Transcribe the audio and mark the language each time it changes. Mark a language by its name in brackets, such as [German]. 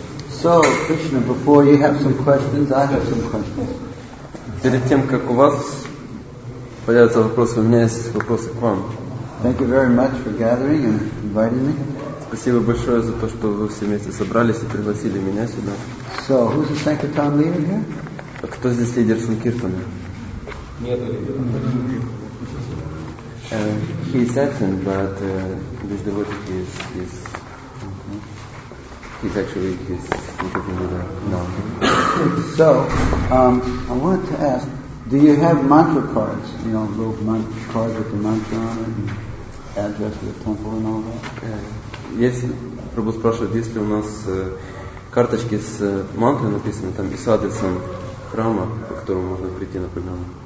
[English] So, Krishna, before you have some questions, I have some questions. [Russian] Перед тем, как у вас появятся вопросы, у меня есть вопросы к вам. [English] Thank you very much for gathering and inviting me. [Russian] Спасибо большое за то, что вы все вместе собрались и пригласили меня сюда. [English] So, who's the Sankirtan leader here? [Russian] А кто здесь лидер Санкиртана? [English] He's absent, but this devotee is okay. He's actually his Sankirtan leader. No. So, I wanted to ask, do you have mantra cards? You know, little mantra cards with the mantra on it, and address of the temple and all that? [Russian] Есть, Прабху спрашивает, есть ли у нас карточки с мантрой написанной, там и с адресом храма, по которому можно прийти на прием.